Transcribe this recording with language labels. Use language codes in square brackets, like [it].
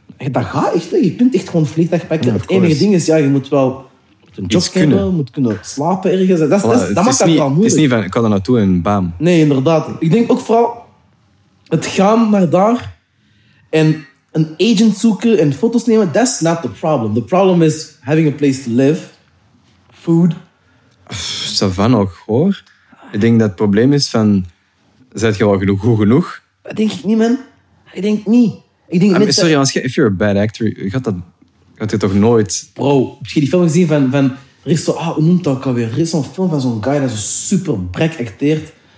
[nl] Dat gaat echt, je kunt echt gewoon vliegtuig pakken. Het enige ding is, je moet wel een job kennen, moet kunnen slapen ergens. Dat maakt het wel moeilijk. Het is niet van, ik kan er naartoe en bam. Nee, inderdaad. Ik denk ook vooral, het gaan naar daar en een agent zoeken en foto's nemen, [en] that's not the problem. The problem is having a place to live, food. [fr] Ça va [nl] nog, hoor. Ik denk dat het probleem is van, zijn je wel genoeg, goed genoeg? Dat denk ik niet, man. Ik denk niet. [en] If you're a bad actor, [nl] Had je toch nooit... Bro, heb je die film gezien van Risto... Ah, hoe noemt dat ook alweer? Er is zo'n film van zo'n guy dat zo super brek acteert.